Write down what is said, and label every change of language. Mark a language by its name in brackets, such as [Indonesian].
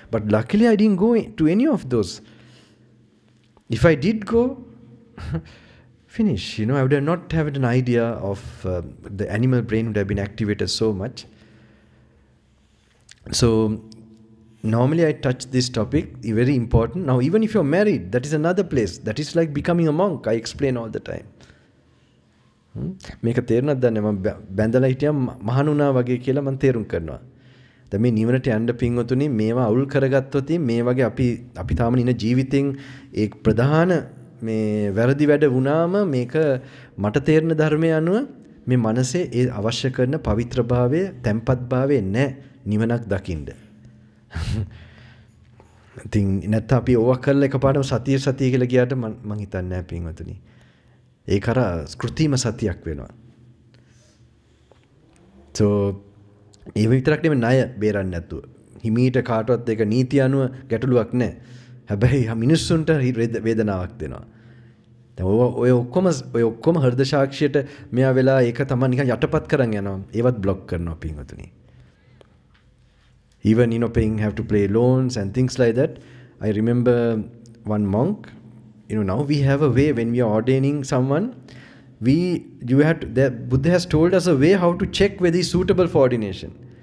[English] But luckily, I didn't go to any of those. If I did go, finish. You know, I would have not had an idea of the animal brain would have been activated so much. So normally, I touch this topic, very important. Now, even if you're married, that is another place. That is like becoming a monk, I explain all the time. [Sinhala] මේක තේරුණාද දැන් මම බැඳලා හිටියම් මහණුනා වගේ කියලා මම තේරුම් කරනවා. දැන් මේ නිවනට යන්න පින්වතුනි මේවා අවුල් කරගත්තොත් මේ වගේ අපි තාම ඉන ජීවිතෙන් ඒ ප්‍රධාන මේ වැරදි වැඩ වුණාම මේක මට තේරෙන ධර්මය අනුව මේ මනසේ ඒ අවශ්‍ය කරන පවිත්‍රභාවය තැම්පත්භාවය නැ නිවනක් දකින්න. ඉතින් නැත්නම් අපි ඕවා කරලා එකපාරම සතිය කියලා ගියාට මම හිතන්නේ නැහැ පින්වතුනි. ඒ කර කෘතිම සතියක් වෙනවා. සෝ ඒ විතරක් නෙමෙයි ණය බේරන්නේ නැතුව. හිමීට කාටවත් ඒක නීති අනුව ගැටලුවක් නැහැ. හැබැයි මිනිස්සුන්ට වේදනාවක් දෙනවා. දැන් ඔය ඔක්කොම හෘද සාක්ෂියට මෙයා වෙලා ඒක තමයි නිකන් යටපත් කරන් යනවා. ඒවත් බ්ලොක් කරනවා පින්වතුනි. [English] Even you know paying have to play loans and things like that. I remember one monk. You know, now we have a way when we are ordaining someone. Buddha has told us a way how to check whether he's suitable for ordination.